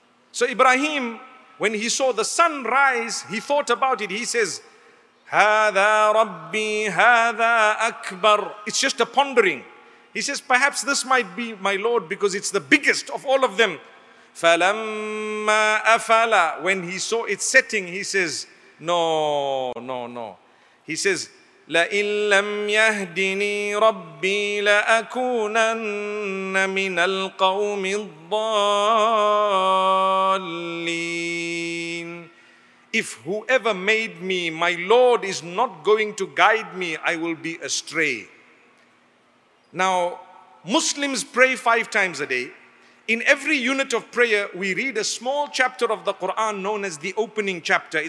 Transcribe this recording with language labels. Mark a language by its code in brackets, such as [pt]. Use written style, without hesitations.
[en] So Ibrahim, when he saw the sun rise, he thought about it. He says, [ar] Hada Rabbi, Hada Akbar. [en] It's just a pondering. He says, perhaps this might be my Lord because it's the biggest of all of them. [ar] فَلَمَّا أَفَلَى. [en] When he saw it setting, he says, no, no, no. He says, [ar] لَإِن لَمْ يَهْدِنِي رَبِّي لَأَكُونَنَّ مِنَ الْقَوْمِ الضَّالِّينَ. [en] If whoever made me, my Lord, is not going to guide me, I will be astray. Now, Muslims pray 5 times a day. In every unit of prayer, we read a small chapter of the Quran known as the opening chapter.